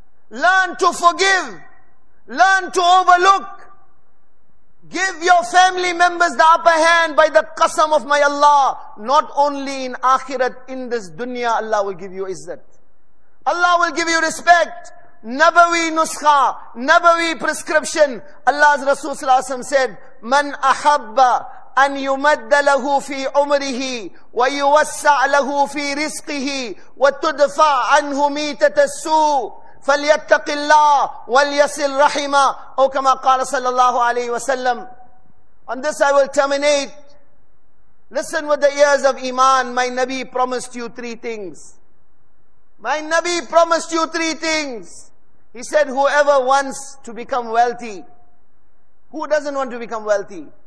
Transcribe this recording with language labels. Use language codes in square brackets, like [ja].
[en] Learn to forgive. Learn to overlook. Give your family members the upper hand by the qasam of my Allah. Not only in akhirat, in this dunya, Allah will give you izzat. Allah will give you respect. Nabawi nuskha, nabawi prescription. Allah's Rasul sallallahu alaihi wasallam said, [ar] man ahabba أن يمد له في عمره ويوسع له في رزقه وتدفع عنه ميتة السوء فليتق الله وليصل رحمه. أو كما قال صلى الله عليه وسلم. [en] On this I will terminate. Listen with the ears of Iman. My Nabi promised you three things. My Nabi promised you three things. He said, whoever wants to become wealthy. Who doesn't want to become wealthy?